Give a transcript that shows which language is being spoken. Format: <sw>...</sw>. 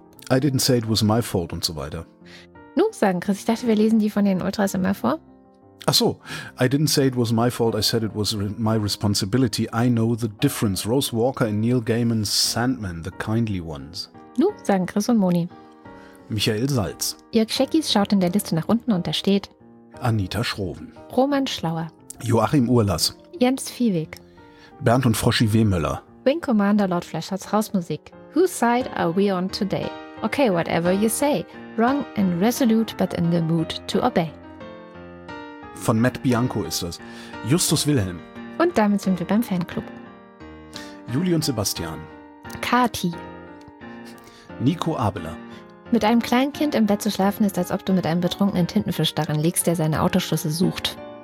<en>I didn't say it was my fault</en> <de>und so weiter. Nun sagen, Chris, ich dachte, wir lesen die von den Ultras immer vor. Ach so.</de> <en>I didn't say it was my fault, I said it was my responsibility. I know the difference. Rose Walker and Neil Gaiman's Sandman, the kindly ones.</en> <de>Nun sagen Chris und Moni. Michael Salz. Jörg Scheckis schaut in der Liste nach unten und da steht Anita Schroven. Roman Schlauer. Joachim Urlass. Jens Viehweg. Bernd und Froschi Wehmöller. Wing Commander Lord Fleschards Hausmusik.</de> <en>Whose side are we on today? Okay, whatever you say. Wrong and resolute, but in the mood to obey.</en> <de>Von Matt Bianco ist das. Justus Wilhelm. Und damit sind wir beim Fanclub. Juli und Sebastian. Kati. Nico Abeler. Mit einem kleinen Kind im Bett zu schlafen, ist, als ob du mit einem betrunkenen Tintenfisch darin liegst, der seine Autoschlüssel sucht.</de>